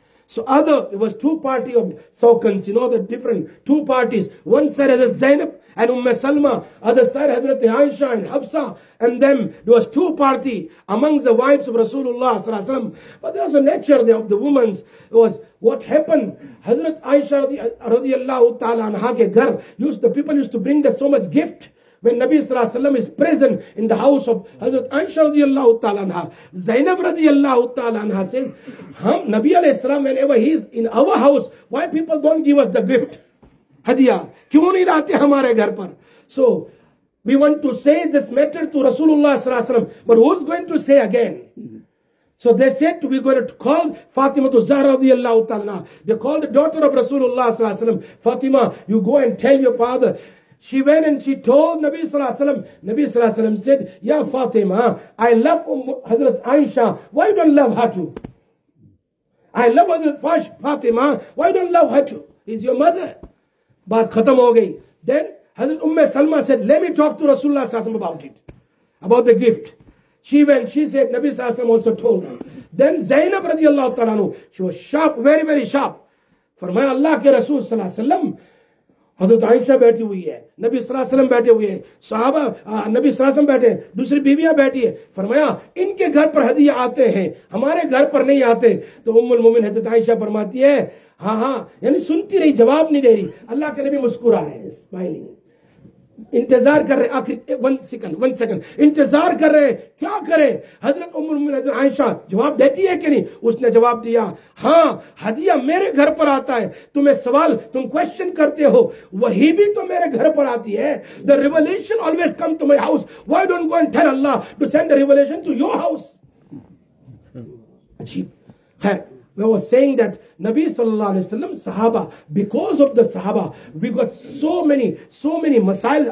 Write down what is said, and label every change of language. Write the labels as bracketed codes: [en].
[en] So other it was two party of सौकंस, you know the different two parties, one side Hazrat Zainab and Umme Salma, other side Hazrat Aisha and Hafsa and them. There was two party amongst the wives of Rasulullah सल्लल्लाहु अलैहि वसल्लम. But there was a nature of the womens, was what happened. Hazrat Aisha रजी अल्लाह तआला अन्हा [hi] के घर [en] Used the people used to bring the so much gift. When Nabi sallallahu alaihi wasallam is present in the house of Hazrat Aisha radiyallahu ta'ala anha, Zainab radiyallahu ta'ala anha says, "Hum Nabi alayhi salam, whenever he is in our house, why people don't give us the gift? [hi] Hadiya, kyun nahi laate hamare ghar par?" [en] So we want to say this matter to Rasulullah sallallahu alaihi wasallam, but who's going to say again? So they said we're going to call Fatima to Zahra radiyallahu ta'ala anha. They called the daughter of Rasulullah sallallahu alaihi wasallam, "Fatima, you go and tell your father." She went and she told Nabi sallallahu alaihi wasallam. Nabi sallallahu alaihi wasallam said, "Ya Fatima, I love Hazrat Aisha. Why you don't love her too? I love Hazrat Fatima. Why you don't love her too? Is your mother?" [hi] Baat khatam ho gayi. [en] Then Hazrat Umme Salma said, "Let me talk to Rasulullah sallallahu alaihi wasallam about it, about the gift." She went. She said Nabi sallallahu alaihi wasallam also told her. Then Zainab radiyallahu ta'ala anhu, she was sharp, very very sharp. [hi] Farmaya Allah ke Rasul sallallahu alaihi wasallam. हजरत आयशा बैठी हुई है, नबी सल्लल्लाहु अलैहि वसल्लम बैठे हुए हैं, सहाबा नबी सल्लल्लाहु अलैहि वसल्लम बैठे, दूसरी बीवियां बैठी है. फरमाया इनके घर पर हदिया आते हैं, हमारे घर पर नहीं आते. तो उम्मुल मोमिन हजरत आयशा फरमाती है, हाँ हाँ, यानी सुनती रही, जवाब नहीं दे रही. अल्लाह के नबी मुस्कुरा रहे, स्माइलिंग, इंतजार कर रहे, आखिर [en] one second [hi] इंतजार कर रहे, क्या करे. हजरत उम्मुल मोमिन हजरत आयशा जवाब देती है कि नहीं. उसने जवाब दिया, हाँ हदिया मेरे घर पर आता है. तुम्हें सवाल, तुम क्वेश्चन करते हो, वही भी तो मेरे घर पर आती है. [en] The revelation always come to my house, why don't go and tell Allah to send the revelation to your house. [hi] अजीब. [en] खैर, I was saying that Nabi sallallahu alaihi wasallam sahaba, because of the sahaba we got so many masail.